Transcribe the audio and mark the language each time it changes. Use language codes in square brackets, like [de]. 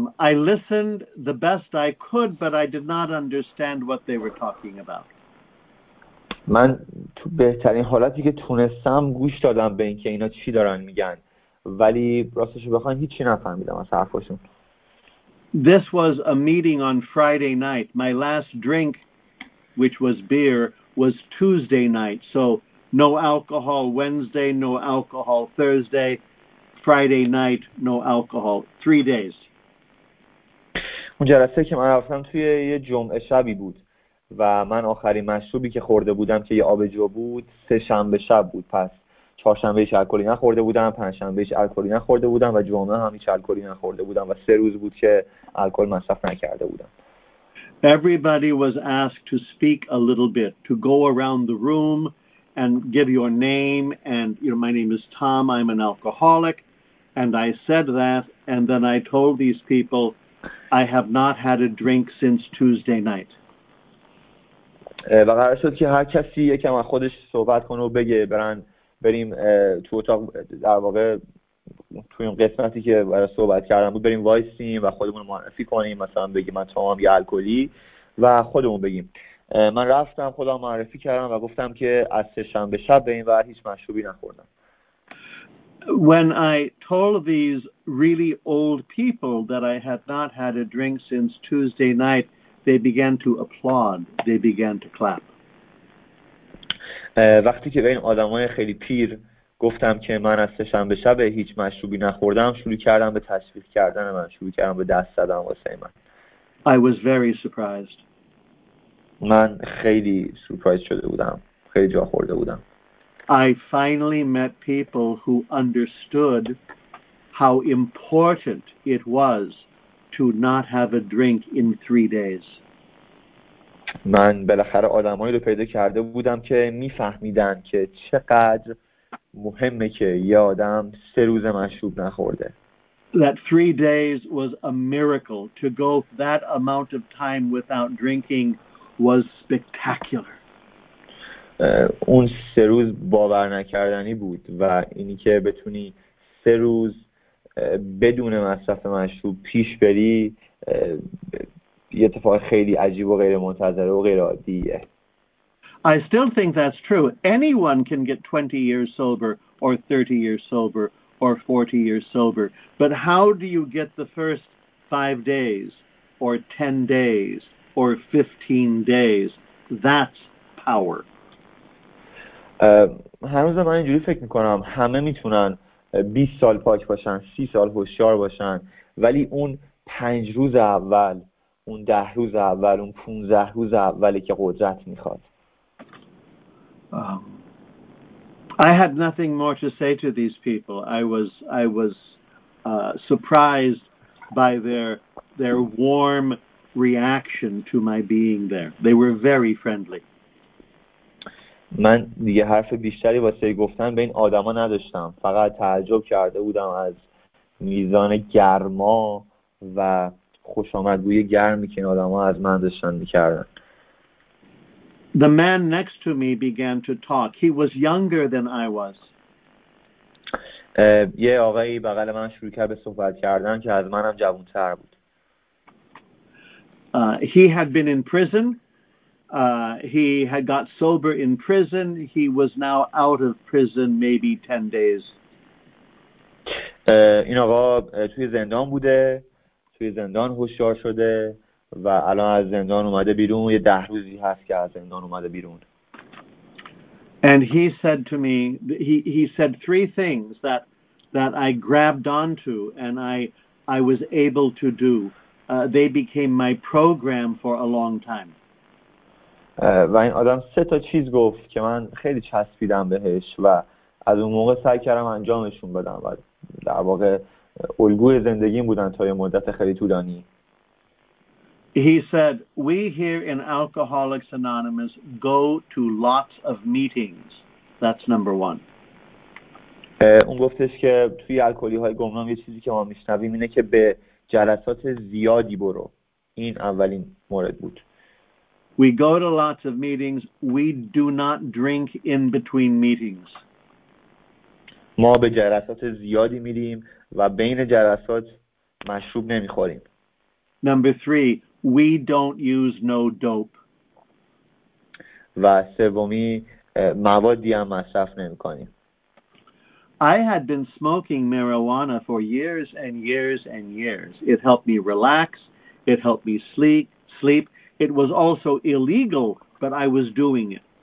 [en] I listened the best I could, but I did not understand what they were talking about. [fa] من تو بهترین حالتی که تونستم گوش دادم به اینکه اینا چی دارن میگن، ولی راستش رو بخواین هیچی نفهمیدم از حرفاشون. [en] This was a meeting on Friday night. My last drink, which was beer, was Tuesday night. So no alcohol Wednesday, no alcohol Thursday, Friday night, no alcohol. 3 days. [fa] اون جلسه که من رفتم توی یه جمعه شبی بود و من آخرین مشروبی که خورده بودم که یه آبجو بود سه شنبه شب بود. پس چهارشنبه هیچ الکلی نخورده بودم، پنجشنبه هیچ الکلی نخورده بودم و جمعه هم هیچ الکلی نخورده بودم و سه روز بود که الکل مصرف نکرده بودم. [en] Everybody was asked to speak a little bit, to go around the room and give your name and, you know, my name is Tom, I'm an alcoholic, and I said that, and then I told these people I have not had a drink since Tuesday night. [fa] و قرار شد که هر کسی یکم از خودش صحبت کنه و بگه بریم تو اتاق، در واقع توی اون قسمتی که برای صحبت کردن بود، بریم وایسیم و خودمون معرفی کنیم، مثلا بگیم من تمام یه الکلی و خودمون بگیم. من رفتم خودم معرفی کردم و گفتم که از سه‌شنبه شب به این ور هیچ مشروبی نخوردم. [en] When I told these really old people that I had not had a drink since Tuesday night, they began to applaud. They began to clap. [fa] وقتی که به این آدمای خیلی پیر گفتم که من از سه‌شنبه شب هیچ مشروبی نخوردم، شروع کردم به تشویق کردن من، شروع کردم به دست زدن واسه من. [en] I was very surprised. [fa] من خیلی سورپرایز شده بودم، خیلی جا خورده بودم. [en] I finally met people who understood how important it was to not have a drink in 3 days. [fa] من بالاخره آدمایی رو پیدا کرده بودم که میفهمیدن که چقدر مهمه که یه آدم سه روز مشروب نخورده. [en] That 3 days was a miracle. To go that amount of time without drinking was spectacular. [fa] اون سه روز باور نکردنی بود و اینی که بتونی سه روز بدون مصرف مشروب پیش بری یه اتفاق خیلی عجیب و غیر منتظره و غیر عادیه. [en] I still think that's true. Anyone can get 20 years sober or 30 years sober or 40 years sober. But how do you get the first 5 days or 10 days or 15 days? That's power. [fa] هنوز من اینجوری فکر میکنم همه میتونن 20 سال پاک باشن، 30 سال هوشیار باشن، ولی اون 5 روز اول، اون 10 روز اول، اون 15 روز اولی که قدرت میخواد. [en] I had nothing more to say to these people. I was surprised by their warm reaction to my being there. They were very friendly. [fa] من دیگه حرف بیشتری واسه گفتن به این آدما نداشتم. فقط تعجب کرده بودم از میزان گرما و خوشامدگویی گرمی که این آدما از من داشتن می‌کردن. [en] The man next to me began to talk. He was younger than I was. [fa] یه آقایی بغل من شروع کرد به صحبت کردن که از منم جوان‌تر بود. [en] He had been in prison. He had got sober in prison. He was now out of prison maybe 10 days. [fa] این آقا توی زندان بوده، توی زندان هوشیار شده و الان از زندان اومده بیرون. یه 10 روزی هست که از زندان اومده بیرون. [en] And he said to me, he said three things that I grabbed onto and I was able to do. They became my program for a long time. [fa] و این آدم سه تا چیز گفت که من خیلی چسبیدم بهش و از اون موقع سعی کردم انجامشون بدم و در واقع الگوی زندگیم بودن تا یه مدت خیلی طولانی. [en] He said, we here in Alcoholics Anonymous go to lots of meetings. That's number one. [fa] اون گفتش که توی الکلی های گمنام یه چیزی که ما میشنویم اینه که به جلسات زیادی برو. این اولین مورد بود. [en] We go to lots of meetings. We do not drink in between meetings. [fa] ما به جلسات زیادی میریم و بین جلسات مشروب نمیخوریم. [en] Number three, we don't use no dope. [fa] و سومی موادی هم مصرف نمیکنیم. [en] I had been smoking marijuana for years and years and years. It helped me relax. It helped me sleep. It was also illegal, but I was doing it.